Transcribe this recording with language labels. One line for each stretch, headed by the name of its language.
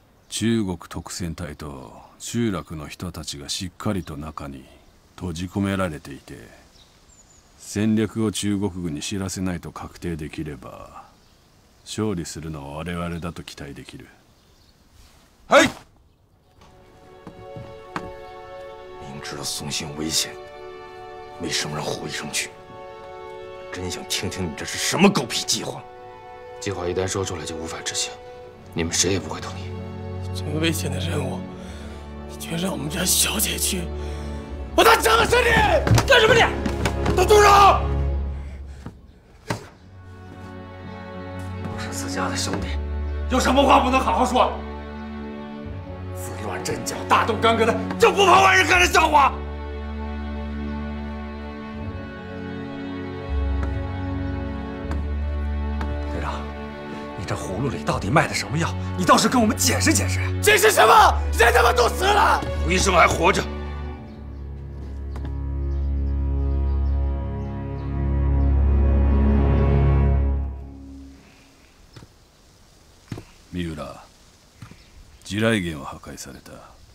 Japanese: 中国特戦隊と集落の人たちがしっかりと中に閉じ込められていて、戦略を中国軍に知らせないと確定できれば勝利するのは我々だと期待できる。はい。
Chinese: 明知道松信危险，为什么让胡医生去？真想听听你这是什么狗屁计划。计划一旦说出来就无法执行，你们谁也不会同意。这么危险的任务，你居然让我们家小姐去，我打整死你！干什么你？都住手！我是自家的兄弟，有什么话不能好好说？自乱阵脚，大动干戈的，就不怕外人看着笑话？这葫芦里到底卖的什么药？你倒是跟我们解释解释！解释什么？人他妈都死了！胡医生还活着。
Japanese: 三浦、地雷原は破壊された。